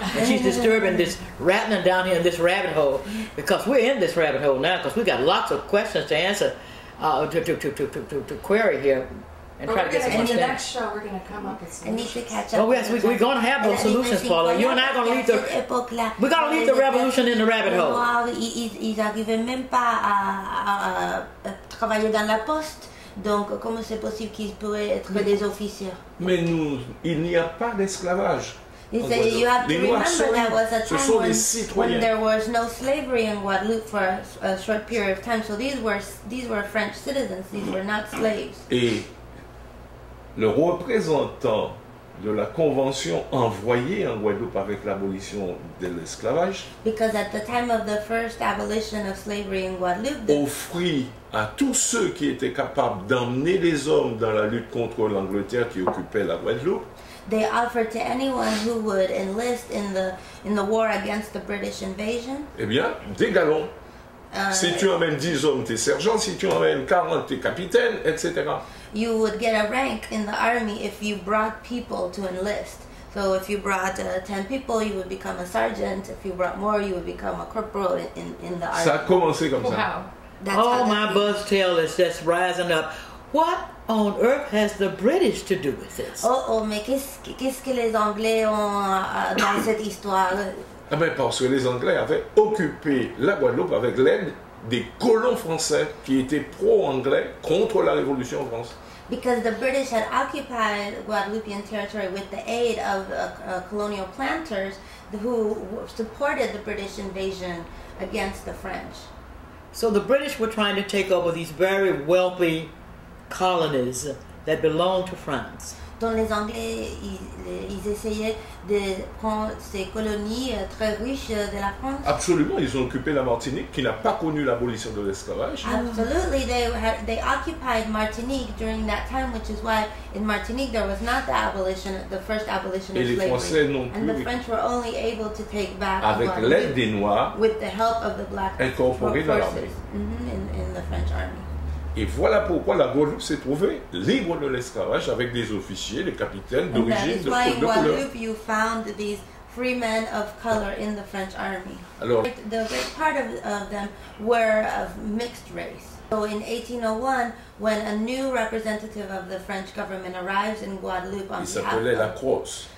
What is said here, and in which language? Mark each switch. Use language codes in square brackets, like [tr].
[en] And she's disturbing this rattling down here in this rabbit hole because we're in this rabbit hole now because we've got lots of questions to answer, to query here. And try to get some in the next show, we're going to come up with solutions. I need to catch up. Oh, yes, we're going to have those solutions, Paula. You and I are going to leave we're going to leave the revolution in the rabbit hole. [fr] Ils n'arrivaient même pas à travailler dans la poste. Donc, comment c'est possible qu'ils pourraient être des officiers? Mais nous, il n'y a pas d'esclavage. [en] He said you have to remember that was a time when there was no slavery in Guadeloupe for a short period of time. So these were French citizens. These were not slaves. [fr] Et le représentant de la convention envoyée en Guadeloupe avec l'abolition de l'esclavage. [en] Because at the time of the first abolition of slavery in Guadeloupe, [fr] offrit à tous ceux qui étaient capables d'emmener les hommes dans la lutte contre l'Angleterre qui occupait la Guadeloupe. [en] They offered to anyone who would enlist in the war against the British invasion. [fr] Eh bien, des galons. Si tu emmènes 10 hommes, t'es sergent. Si tu emmènes 40, t'es capitaine, etc. [en] You would get a rank in the army if you brought people to enlist. So if you brought 10 people, you would become a sergeant. If you brought more, you would become a corporal in the army. [fr] Ça a commencé comme ça. [en] Wow. That's all my buzz tail is just rising up. What on earth has the British to do with this? [fr] Oh, mais qu'est-ce que les Anglais ont dans cette histoire? Ah ben parce que les Anglais avaient occupé la Guadeloupe avec l'aide des colons français qui étaient pro-anglais contre la Révolution en France. [en] Because the British had occupied Guadeloupean territory with the aid of colonial planters who supported the British invasion against the French. So the British were trying to take over these very wealthy colonies that belonged to France. [fr] Donc les Anglais, ils essayaient de prendre ces colonies très riches de la France. Absolument, ils ont occupé la Martinique, qui n'a pas connu l'abolition de l'esclavage. [en] Absolutely, they occupied Martinique during that time, which is why in Martinique there was not the first abolition [fr] et Et les Français non plus. [en] And the French were only able to take back [fr] avec l'aide des Noirs, [en] with the help of the black [fr] incorporés dans l'armée. [en] In the French army. [fr] Et voilà pourquoi la Guadeloupe s'est trouvée libre de l'esclavage avec des officiers, des capitaines d'origine de couleur. [en] And that is why in Guadeloupe you found these free men of color in the French army. [fr] Alors, [en] the great part of them were of mixed race. So in 1801, when a new representative of the French government arrives in Guadeloupe, [fr] il s'appelait La Crosse.